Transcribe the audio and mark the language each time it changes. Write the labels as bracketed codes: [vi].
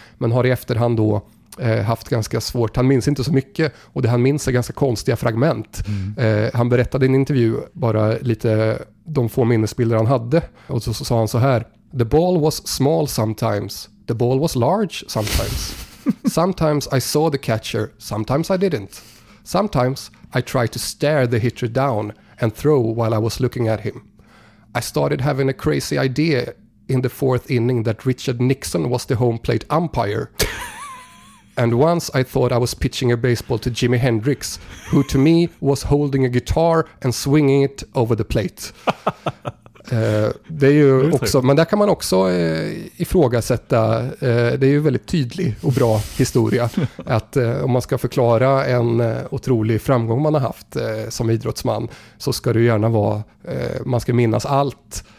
[sv] Men har i efterhand då haft ganska svårt. Han minns inte så mycket, och det han minns är ganska konstiga fragment. Mm. Han berättade i en intervju bara lite de få minnesbilder han hade, och så sa han så här: [en] "The ball was small sometimes. The ball was large sometimes. Sometimes I saw the catcher, sometimes I didn't. Sometimes I tried to stare the hitter down and throw while I was looking at him. I started having a crazy idea in the fourth inning that Richard Nixon was the home plate umpire. And once I thought I was pitching a baseball to Jimi Hendrix, who to me was holding a guitar and swinging it over the plate." [sv] Det är ju också, men där kan man också ifrågasätta, det är ju väldigt tydlig och bra historia, att om man ska förklara en otrolig framgång man har haft som idrottsman, så ska det ju gärna vara, man ska minnas allt.